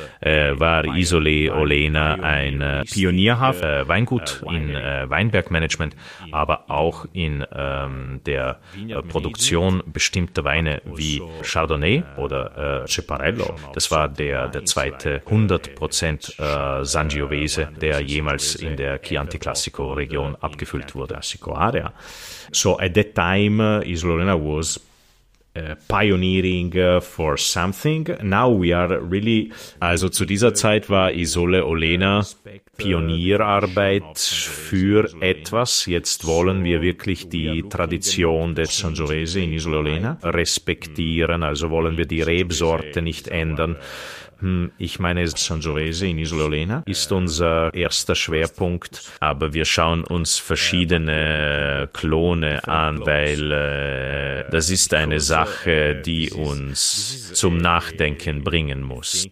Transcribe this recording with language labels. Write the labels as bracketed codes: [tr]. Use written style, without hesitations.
[de] war Isolé Olena ein pionierhaftes Weingut in Weinbergmanagement, aber auch in der Produktion bestimmter Weine wie Chardonnay oder Ceparello. Das war der zweite 100% Sangiovese, der jemals in der Chianti Classico Region abgefüllt wurde. [en] So at that time Isolé Olena was pioneering for something. Now we are really. [de] Also zu dieser Zeit war Isolé Olena Pionierarbeit für etwas. Jetzt wollen wir wirklich die Tradition des Sangiovese in Isolé Olena respektieren. Also wollen wir die Rebsorte nicht ändern. Ich meine, Sangiovese in Isolé Olena ist unser erster Schwerpunkt, aber wir schauen uns verschiedene Klone an, weil das ist eine Sache, die uns zum Nachdenken bringen muss.